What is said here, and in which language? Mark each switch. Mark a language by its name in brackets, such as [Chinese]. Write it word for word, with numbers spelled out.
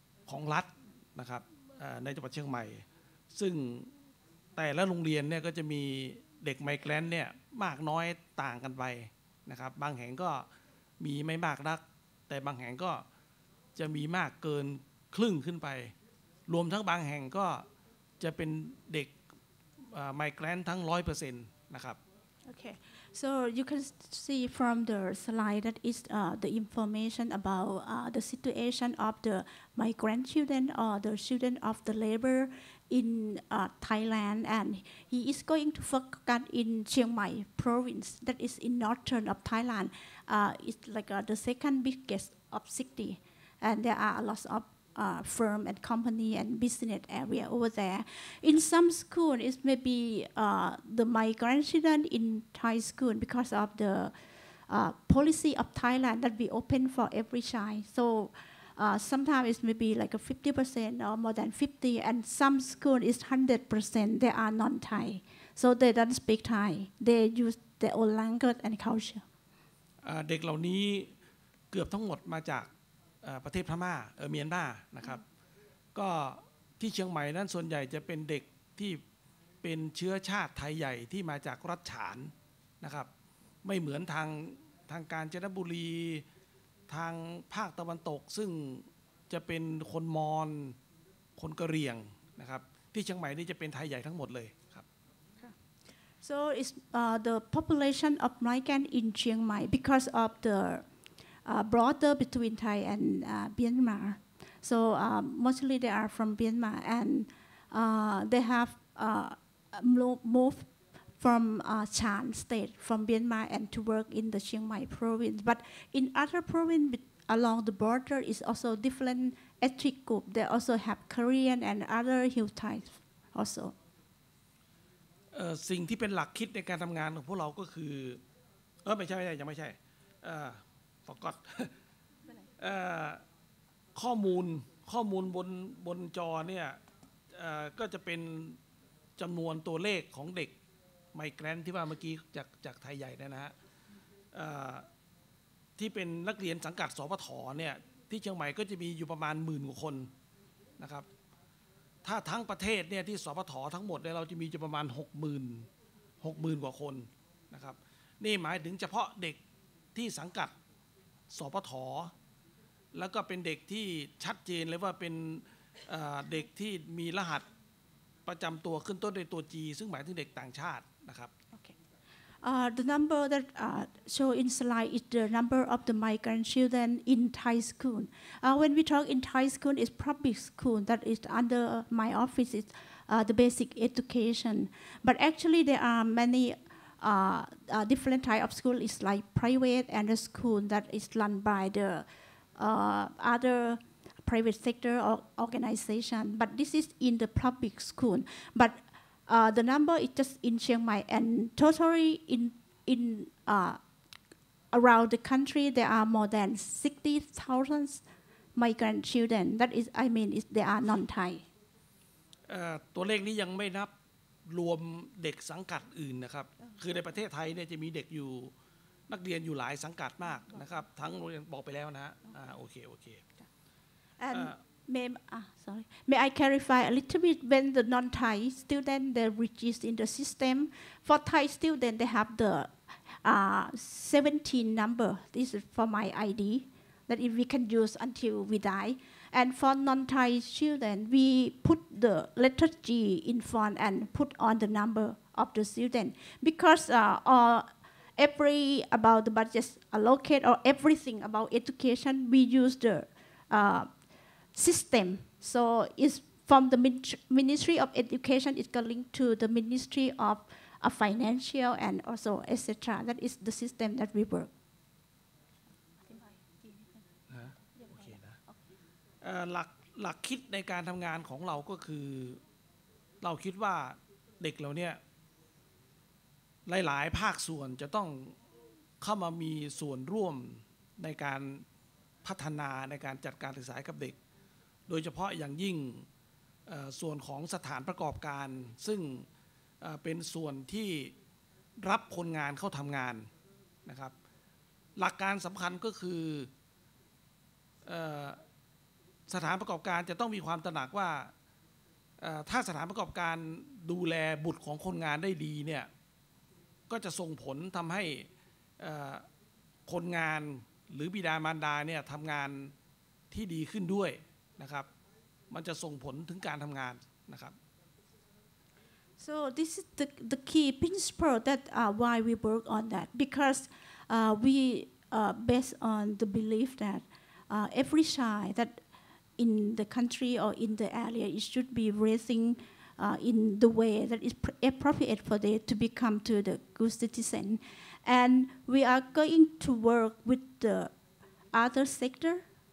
[Thai] ของรัฐนะครับเอ่อในจังหวัดเชียงใหม่ซึ่งแต่ละโรงเรียนเนี่ยก็จะมีเด็กไมเกรนต์เนี่ยมากน้อยต่างกันไปนะครับบางแห่งก็มีไม่มากนักแต่บางแห่งก็จะมีมากเกินครึ่งขึ้นไปรวมทั้งบางแห่งก็จะเป็นเด็กไมเกรนต์ทั้ง หนึ่งร้อยเปอร์เซ็นต์ นะครับ [English] Okay, so you can see from the slide that is uh, the information about uh, the situation of the migrant children or the children of the labor in uh, Thailand, and he is going to focus in Chiang Mai province, that is in northern of Thailand. Uh, it's like uh, the second biggest of city, and there are a lot of uh, firm and company and business area over there. In some school, it's maybe uh, the migrant children in Thai school because of the uh, policy of Thailand that we open for every child. So. Uh, sometimes it's maybe like a fifty percent or more than fifty, and some school is one hundred percent. They are non-Thai, so they don't speak Thai. They use their own language and culture. [Thai] เด็กเหล่านี้เกือบทั้งหมดมาจากประเทศพม่าเออเมียนมานะครับก็ที่เชียงใหม่นั้นส่วนใหญ่จะเป็นเด็กที่เป็นเชื้อชาติไทยใหญ่ที่มาจากรัฐฉานนะครับไม่เหมือนทางทางกาญจนบุรีทางภาคตะวันตกซึ่งจะเป็นคนมอญคนกะเหรี่ยงนะครับที่เชียงใหม่นี่จะเป็นไทยใหญ่ทั้งหมดเลยครับ [English] So it's uh, the population of migrant in Chiang Mai because of the uh, border between Thai and uh, Myanmar. So uh, mostly they are from Myanmar, and uh, they have uh, moved from uh, Chan state, from Myanmar, and to work in the Chiang Mai province. But in other province along the border is also different ethnic group. They also have Korean and other hill types also. [Thai] เอ่อสิ่งที่เป็นหลักคิดในการทำงานของพวกเราก็คือเออไม่ใช่ไม่ใช่ยังไม่ใช่เอ่อ [English] forgot [Thai] เอ่อข้อมูลข้อมูลบนบนจอเนี่ยเอ่อก็จะเป็นจำนวนตัวเลขของเด็กไมเกรนที่ว่าเมื่อกี้จากจากไทยใหญ่นะฮะ ที่เป็นนักเรียนสังกัดสปทเนี่ยที่เชียงใหม่ก็จะมีอยู่ประมาณหมื่นกว่าคนนะครับถ้าทั้งประเทศเนี่ยที่สปททั้งหมดเนี่ยเราจะมีอยู่ประมาณ หกหมื่น หกหมื่น กว่าคนนะครับนี่หมายถึงเฉพาะเด็กที่สังกัดสปทแล้วก็เป็นเด็กที่ชัดเจนเลยว่าเป็นเด็กที่มีรหัสประจำตัวขึ้นต้นด้วยตัว G ซึ่งหมายถึงเด็กต่างชาตินะครับ [English] Okay. uh, The number that uh, show in slide is the number of the migrant children in Thai school. Uh, when we talk in Thai school, it's public school that is under my office. It's uh, the basic education. But actually, there are many uh, uh, different type of school. It's like private and a school that is run by the uh, other. private sector or organization, but this is in the public school. But uh, the number is just in Chiang Mai, and totally in in uh, around the country there are more than sixty thousand migrant children. That is, I mean, is they are non-Thai. [Thai] เอ่อตัวเลขนี้ยังไม่นับรวมเด็กสังกัดอื่นนะครับคือในประเทศไทยเนี่ยจะมีเด็กอยู่ นักเรียนอยู่หลายสังกัดมากนะครับทั้งโรงเรียนบอกไปแล้วนะฮะอ่าโอเคโอเค [English] And อ่า may ah, sorry, may I clarify a little bit when the non-Thai student they register in the system? For Thai student, they have the uh, seventeen number. This is for my I D that if we can use until we die. And for non-Thai student, we put the letter G in front and put on the number of the student because uh, all every about the budget allocate or everything about education, we use the uh, system. So it's from the min- Ministry of Education, it's got linked to the Ministry of uh, Financial and also et cetera. That is the system that we work. [Thai] นะฮะโอเคนะเอ่อหลักหลักคิดในการทำงานของเราก็คือ เราคิดว่าเด็กเราเนี่ย หลายๆภาคส่วนจะต้องเข้ามามีส่วนร่วมในการพัฒนาในการจัดการศึกษาให้กับเด็ก โดยเฉพาะอย่างยิ่งเอ่อส่วนของสถานประกอบการ ซึ่งเอ่อเป็นส่วนที่รับคนงานเข้าทำงานนะครับหลักการสำคัญก็คือ เอ่อสถานประกอบการจะต้องมีความตระหนักว่าเอ่อถ้าสถานประกอบการดูแลบุตรของคนงานได้ดีเนี่ยก็จะส่งผลทำให้เอ่อคนงานหรือบิดามารดาเนี่ยทำงานที่ดีขึ้นด้วยนะครับมันจะส่งผลถึงการทำงานนะครับ [English] So this is the, the key principle that uh, why we work on that because uh, we uh, based on the belief that uh, every child that in the country or in the area it should be raising uh, in the way that is pr- appropriate for them to become to the good citizen, and we are going to work with the other sector